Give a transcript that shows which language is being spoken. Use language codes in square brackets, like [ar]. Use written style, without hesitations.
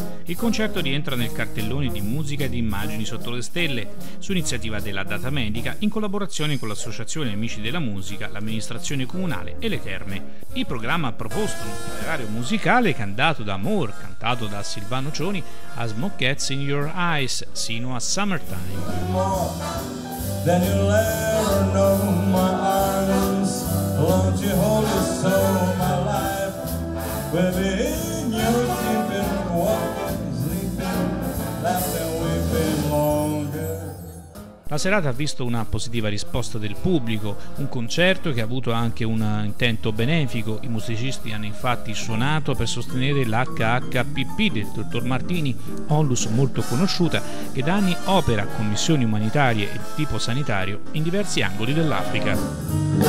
[it] Il concerto rientra nel cartellone di musica e di immagini sotto le stelle, su iniziativa della Data Medica, in collaborazione con l'Associazione Amici della Musica, l'Amministrazione Comunale e le Terme. Il programma ha proposto un itinerario musicale che è andato da Amor, cantato da Silvano Cioni, a Smokettes in Your Eyes, sino a Summertime. [en] Then you'll ever know my arms. Won't you hold it so, my life? We'll be in your keeping, walking, sleeping, laughing, weeping longer. [it] La serata ha visto una positiva risposta del pubblico, un concerto che ha avuto anche un intento benefico. I musicisti hanno infatti suonato per sostenere l'HHPP del dottor Martini, onlus molto conosciuta, che da anni opera con missioni umanitarie e di tipo sanitario in diversi angoli dell'Africa.